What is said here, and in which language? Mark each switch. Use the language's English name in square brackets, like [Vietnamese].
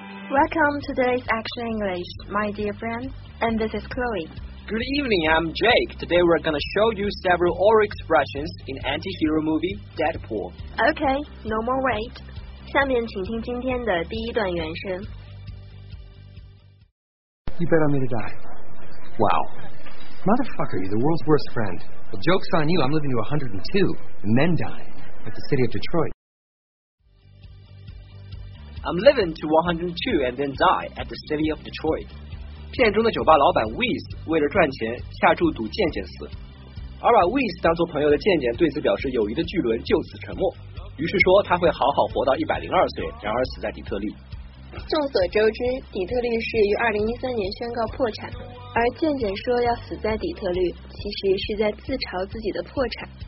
[English] Welcome to today's Action English, my dear friends. And this is Chloe. Good evening, I'm Jake. Today we're gonna show you several oral expressions in anti-hero movie Deadpool. Okay, no more wait. [Chinese] 下面请听今天的第一段原声。 [English] You bet on me to die. Wow. Motherfucker, you're the world's worst friend. Well, joke's on you, I'm living to 102. And then die. At the city of Detroit. I'm living to 102 and then die at the city of Detroit. [Chinese] 片中的酒吧老板 Wiz 为了赚钱下注赌健健死，而把 Wiz 当作朋友的健健对此表示友谊的巨轮就此沉默，于是说他会好好活到102岁，然而死在底特律。众所周知，底特律市于2013年宣告破产，而健健说要死在底特律，其实是在自嘲自己的破产。